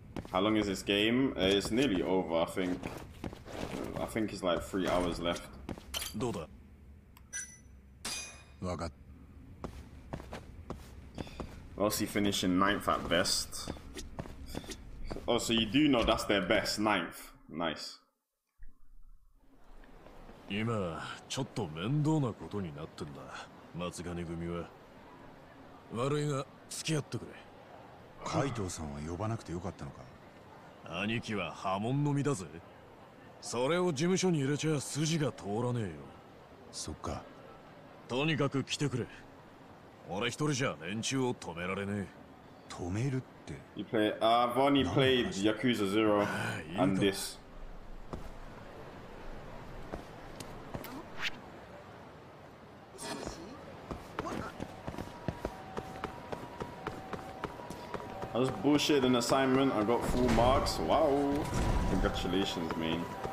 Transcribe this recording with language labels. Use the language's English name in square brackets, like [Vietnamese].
[English] How long is this game? It's nearly over, I think. I think it's like 3 hours left. [Japanese] どうだ。わかった。 [English] What's he finishing ninth at best? Oh, so you do know that's their best, ninth. Nice. [Japanese] 今ちょっと面倒なことになってんだ、松金組は。悪いが付き合ってくれ。海藤さんは呼ばなくてよかったのか。兄貴は波紋の身だぜ。それを事務所に入れちゃ筋が通らねえよ。そっか。とにかく来てくれ。俺一人じゃ連中を止められねえ。止めるって。 [English] You play, I've only played Yakuza Zero and this. I just bullshit an assignment. I got full marks. Wow, congratulations, man.